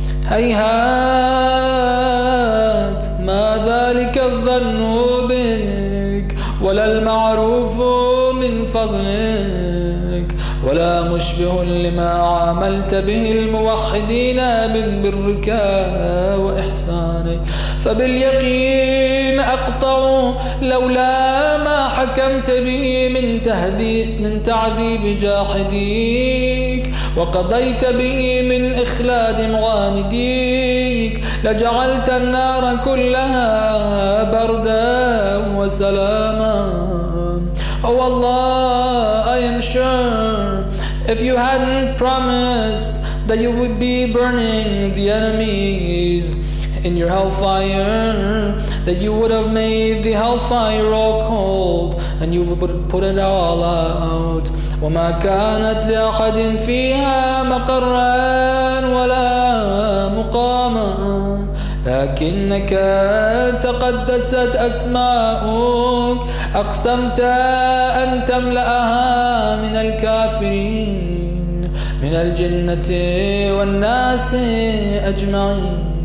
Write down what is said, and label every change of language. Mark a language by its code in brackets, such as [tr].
[ar] هيهات ما ذلك الظن بك ولا المعروف من فضلك ولا مشبه لما عملت به الموحدين من برك وإحسانك فباليقين أقطع لولا ما حكمت به من تعذيب جاحديك وقضيت به من إخلاد معانديك لجعلت النار كلها بردا وسلاما. [en] Oh Allah, I am sure if you hadn't promised that you would be burning the enemies in your hellfire, that you would have made the hellfire all cold and you would put it all out. [ar] وَمَا كَانَتْ لِأَحَدٍ فِيهَا مَقَرًّا وَلَا مُقَامًا لكنك تقدست أسماؤك أقسمت أن تملأها من الكافرين من الجنة والناس أجمعين